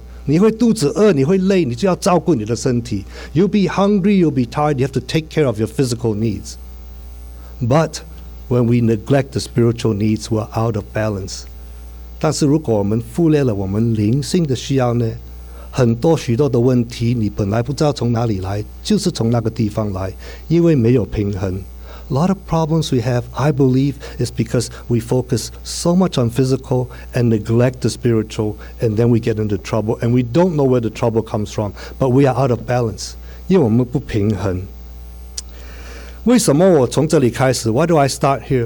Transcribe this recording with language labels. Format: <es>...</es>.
<zh>这个是非常自然，因为肉体常常在我面前，免不了的。你会肚子饿，你会累，你就要照顾你的身体。</zh> <en>You'll be hungry, you'll be tired, you have to take care of your physical needs. But when we neglect the spiritual needs, we're out of balance.</en> <zh>但是如果我们忽略了我们灵性的需要呢？很多许多的问题，你本来不知道从哪里来，就是从那个地方来，因为没有平衡。</zh> <en>A lot of problems we have, I believe, is because we focus so much on physical and neglect the spiritual, and then we get into trouble, and we don't know where the trouble comes from, but we are out of balance,</en> <zh>因为我们不平衡。为什么我从这里开始?</zh> <en>Why do I start here?</en>